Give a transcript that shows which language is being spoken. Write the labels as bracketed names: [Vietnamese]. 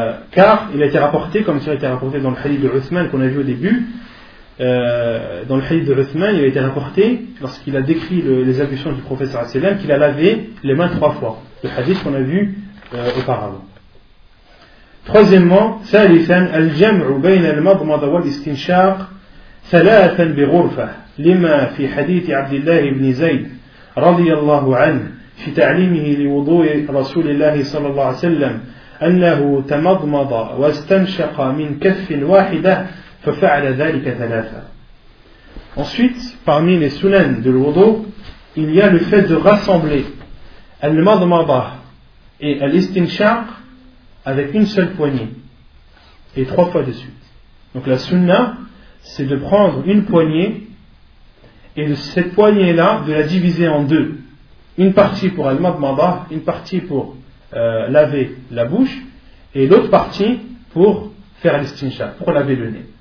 [French] Car il a été rapporté, comme cela a été rapporté dans le hadith de Uthman qu'on a vu au début, dans le hadith de Uthman, il a été rapporté, lorsqu'il a décrit les ablutions du prophète sallallahu alayhi wa sallam, qu'il a lavé les mains trois fois. Le hadith qu'on a vu auparavant. Troisièmement, [Arabic] ثالثاً الجمع بين المضمضة والاستنشاق ثلاثاً بغرفة لما في حديث عبد الله بن زيد رضي الله عنه في تعليمه لوضوء رسول الله صلى الله عليه وسلم أنه تمضمض واستنشق من كف واحدة ففعل ذلك ثلاثة. [French] Ensuite, parmi les sunan de l'wudu, il y a le fait de rassembler المضمضة et الاستنشاق avec une seule poignée et trois fois de suite. Donc la sunna, c'est de prendre une poignée et de cette poignée là de la diviser en deux, une partie pour al-madmada, une partie pour laver la bouche et l'autre partie pour faire l'istinsha, pour laver le nez.